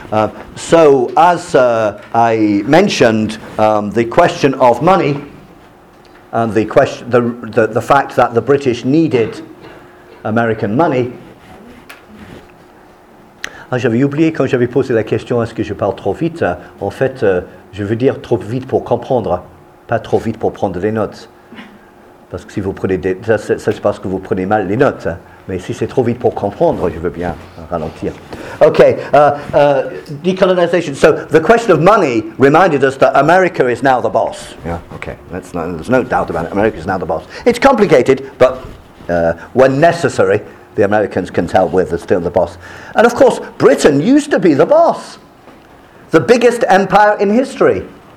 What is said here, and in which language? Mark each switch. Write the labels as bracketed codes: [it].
[en] I mentioned, the question of money and the fact that the British needed American money. [fr] Ah, j'avais oublié quand j'avais posé la question, est-ce que je parle trop vite? En fait, je veux dire trop vite pour comprendre, pas trop vite pour prendre des notes. Parce que si vous prenez c'est parce que vous prenez mal les notes. Mais si c'est trop vite pour comprendre, je veux bien ralentir. [en] Okay, decolonization. So the question of money reminded us that America is now the boss. Yeah, okay. There's no doubt about it. America is now the boss. It's complicated, but when necessary, the Americans can tell where they're still the boss. And of course, Britain used to be the boss. The biggest empire in history.